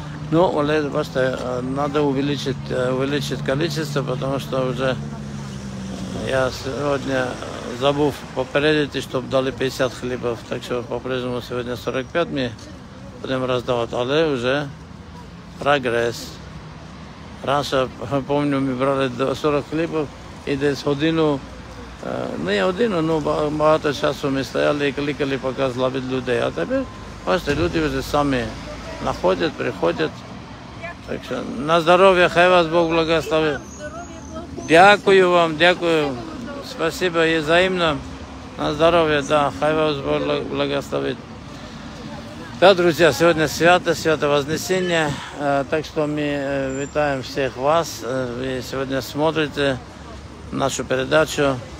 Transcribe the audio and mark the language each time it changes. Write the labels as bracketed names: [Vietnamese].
[Ukrainian] Ну, але, бачите, треба увеличити кількість, тому що вже я сьогодні забув попередити, щоб дали 50 хлібів, так що по-прежньому сьогодні 45 ми будемо роздавати, але вже прогресс. [Russian] Раньше, помню, мы брали 40 хлебов и десь годину, не годину, но много часу мы стояли и кликали, пока зловить людей. А теперь, бачите, люди уже сами находят, приходят. Так что на здоровье, хай вас Бог благословит. [Ukrainian] Дякую вам, дякую. [Russian] Спасибо и взаимно. На здоровье, да, хай вас Бог благословит. [Ukrainian] Так, друзі, сьогодні свято, свято Вознесіння, так що ми вітаємо всіх вас. [Russian] Ви сьогодні смотрите нашу передачу.